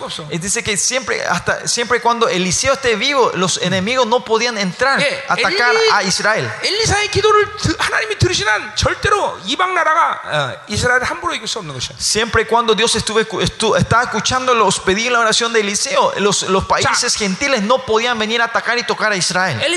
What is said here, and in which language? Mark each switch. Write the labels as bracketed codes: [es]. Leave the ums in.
[es] Y dice que siempre, hasta, siempre cuando Eliseo esté vivo, los enemigos mm. no podían entrar, a yeah, atacar El, a Israel. [ko] 기도를, 하나님이 들으시나, 절대로 이방 나라가 uh. 함부로 이길 수 없는 [es] Siempre cuando Dios estuve estu, estaba escuchando los pedidos la oración de Eliseo, yeah. los, los países 자, gentiles no podían venir a atacar y tocar a Israel.